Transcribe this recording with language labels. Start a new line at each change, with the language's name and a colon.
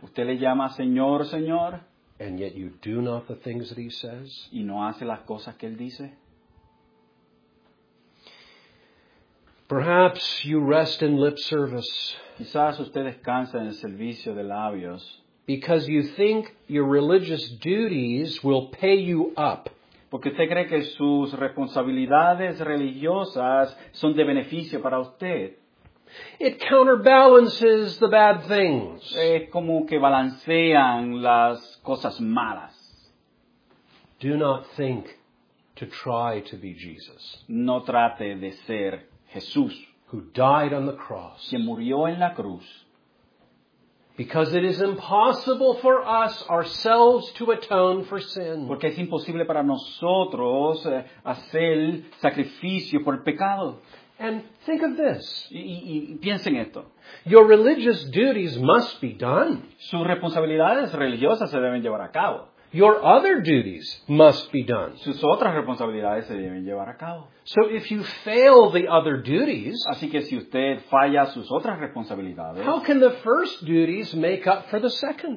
Spanish: ¿Usted le llama Señor, Señor?
English: And yet you do not the things that he says?
Spanish: ¿Y no hace las cosas que él dice?
English: Perhaps you rest in lip service.
Spanish: Quizás usted descansa en el servicio de labios.
English: Because you think your religious duties will pay you up.
Spanish: Porque usted cree que sus responsabilidades religiosas son de beneficio para usted.
English: It counterbalances the bad things.
Spanish: Es como que balancean las cosas malas.
English: Do not think to try to be Jesus.
Spanish: No trate de ser Jesús,
English: who died on the cross,
Spanish: quien murió en la cruz,
English: because it is impossible for us ourselves to atone for sin.
Spanish: Porque es imposible para nosotros hacer sacrificio por el pecado.
English: And think of this.
Spanish: Y piensen esto.
English: Your religious duties must be done.
Spanish: Sus responsabilidades religiosas se deben llevar a cabo.
English: Your other duties must be done.
Spanish: Sus otras responsabilidades se deben llevar a cabo.
English: So if you fail the other duties,
Spanish: así que si usted falla sus otras responsabilidades,
English: how can the first duties make up for the second?